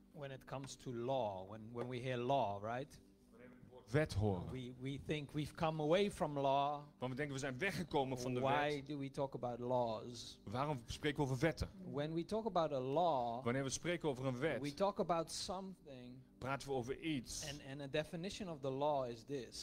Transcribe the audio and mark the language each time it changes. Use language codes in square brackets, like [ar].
[en] When it comes to law, when we hear law, right? [nl] Wet horen. [en] We think we've come away from law. [nl] Want we denken we zijn weggekomen van de [en] Why [nl] wet. [en] Why do we talk about laws? [nl] Waarom spreken we over wetten? [en] When we talk about a law. [nl] Wanneer we spreken over een wet. [en] We talk about something. [nl] Praten we over iets. [en] And a definition of the law is this.